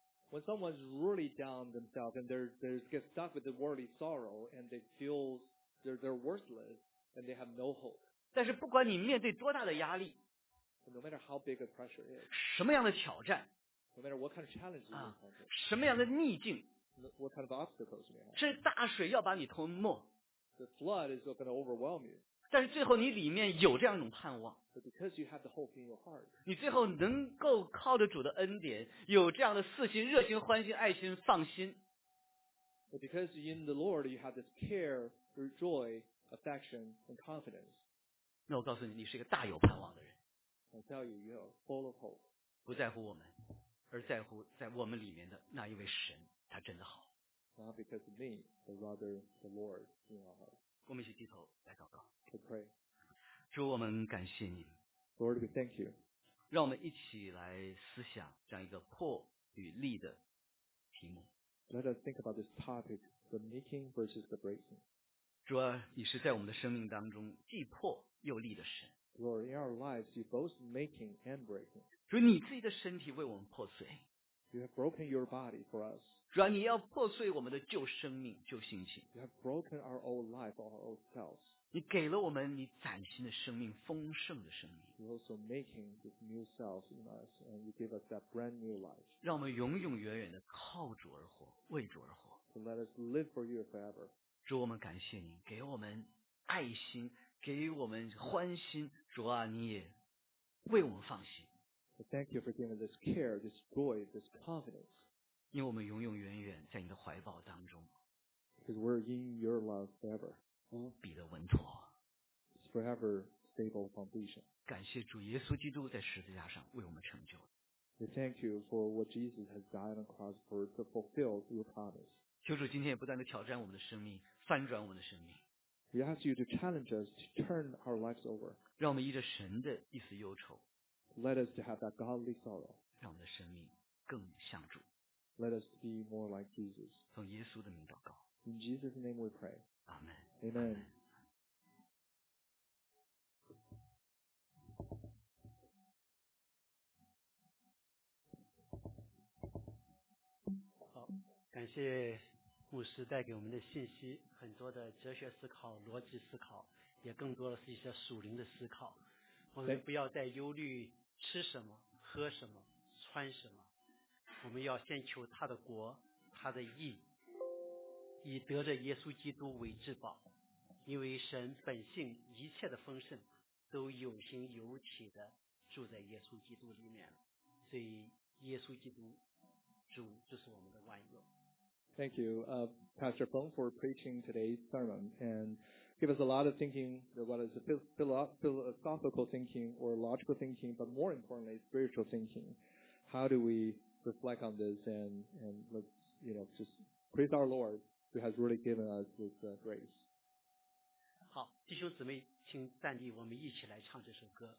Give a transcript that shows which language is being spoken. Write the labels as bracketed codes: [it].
[en] When someone's really down themselves and they get stuck with the worldly sorrow and they feel they're worthless and they have no hope. [zh] 但是不管你面对多大的压力， [en] no matter how big a pressure is, [zh] 什么样的挑战， [en] no matter what kind of challenge you have, [zh] 什么样的逆境， [en] what kind of obstacles you have, [zh] 是大水要把你吞没， [en] the flood is going to overwhelm you. [zh] 但是最后你里面有这样一种盼望。 [en] But because you have the hope in your heart, [zh] 你最后能够靠着主的恩典，有这样的四心、热心、欢心、爱心、放心。 [en] But because in the Lord you have this care, joy, affection, and confidence. [zh] 那我告诉你，你是一个大有盼望的人。 [en] I tell you, you are full of hope. [zh] 不在乎我们，而在乎在我们里面的那一位神，他真的好。 [en] Not because of me, but rather the Lord in our heart. [zh] 我们一起低头来祷告。 [en] To pray. [zh] 主，我们感谢你。 [en] Lord, we thank you. [zh] 让我们一起来思想这样一个破与立的题目。 [en] Let us think about this topic, the making versus the breaking. [zh] 主啊，你是在我们的生命当中既破又立的神。 [en] Lord, in our lives, you both making and breaking. [zh] 主，你自己的身体为我们破碎。 [en] You have broken your body for us. [zh] 主啊，你要破碎我们的旧生命、旧性情。 [en] You have broken our old life, our old selves. [zh] 你给了我们你崭新的生命，丰盛的生命。 [en] You're also making this new self in us, and you give us that brand new life. [zh] 让我们永永远远的靠主而活，为主而活。 [en] So let us live for you forever. [zh] 主，我们感谢你，给我们爱心，给我们欢心。主啊，你也为我们放心。 [en] So thank you for giving this care, this joy, this confidence. [zh] 因为我们永永远远在你的怀抱当中。 [en] Because we're in your love forever. [zh] 无比的稳妥。 [en] It's forever stable foundation. [zh] 感谢主耶稣基督在十字架上为我们成就。 [en] We thank you for what Jesus has died on the cross for to fulfill your promise. [zh] 求主今天也不断地挑战我们的生命，翻转我们的生命。 [en] We ask you to challenge us to turn our lives over. [zh] 让我们依着神的一丝忧愁。 [en] Let us to have that godly sorrow. [zh] 让我们的生命更像主。 [en] Let us be more like Jesus. [zh] 奉耶稣的名祷告。 [en] In Jesus' name we pray. Amen. Amen. Amen. [zh] 好，感谢牧师带给我们的信息，很多的哲学思考、逻辑思考，也更多的是一些属灵的思考。我们不要再忧虑吃什么、喝什么、穿什么，我们要先求他的国、他的义，以得着耶稣基督为至宝。因为神本性一切的丰盛都有形有体的住在耶稣基督里面，所以耶稣基督主就是我们的万有。 [en] Thank you, Pastor Feng, for preaching today's sermon and give us a lot of thinking, what is philosophical thinking or logical thinking, but more importantly spiritual thinking. How do we reflect on this and let's, you know, just praise our Lord who has really given us this grace. [zh] 好，弟兄姊妹，请站立，我们一起来唱这首歌。